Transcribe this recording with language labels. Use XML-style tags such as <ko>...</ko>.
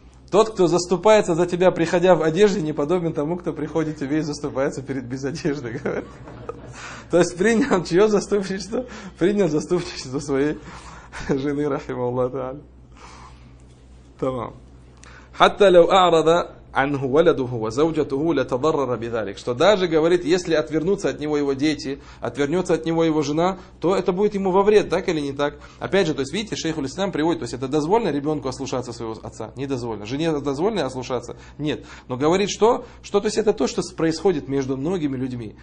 <ru>Тот, кто заступается за тебя, приходя в одежде, не подобен тому, кто приходит тебе и заступается перед без одежды, говорит. То есть принял чье заступничество? Принял заступничество своей жены, рахима Аллаху тааля. Тамам.</ru> <ar>«Хатта ляу аарада عنه ولده وزوجته لتضرر بذلك.</ar> <ru>Что даже говорит, если отвернутся от него его дети, отвернется от него его жена, то это будет ему во вред, так или не так? Опять же, то есть видите, шейх аль-Ислам приводит, то есть это дозволено ребенку ослушаться своего отца? Не дозволено. Жене дозволено ослушаться? Нет. Но говорит, что? Что то есть это то, что происходит между многими людьми.</ru>